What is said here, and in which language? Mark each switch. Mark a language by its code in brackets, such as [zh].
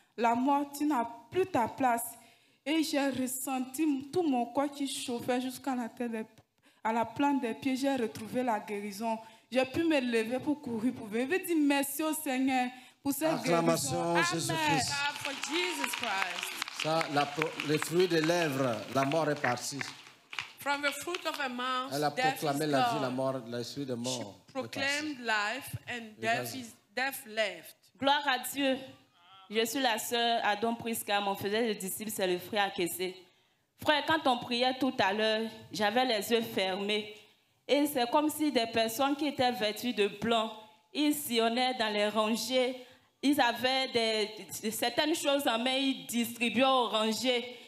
[fr] La mort, tu n'as plus ta place. Et j'ai ressenti tout mon corps qui chauffait jusqu'à la tête, à la plante des pieds, j'ai retrouvé la guérison. J'ai pu me lever pour courir, pour venir. Je veux dire merci au Seigneur pour cette guérison. Acclamation, Jésus-Christ. [en] Amen. For Jesus Christ. [fr] Ça, les fruits des lèvres, la mort est partie. [en] From the fruit of a mouth, [fr] elle a proclamé la vie, la mort, l'esprit de mort. [en] She proclaimed life and death is death left. [fr] Gloire à Dieu. Je suis la sœur Adon Prisca, mon fidèle de disciple, c'est le frère Akessé. Frère, quand on priait tout à l'heure, j'avais les yeux fermés. Et c'est comme si des personnes qui étaient vêtues de blanc, ils sillonnaient dans les rangées, ils avaient certaines choses en main, ils distribuaient aux rangées.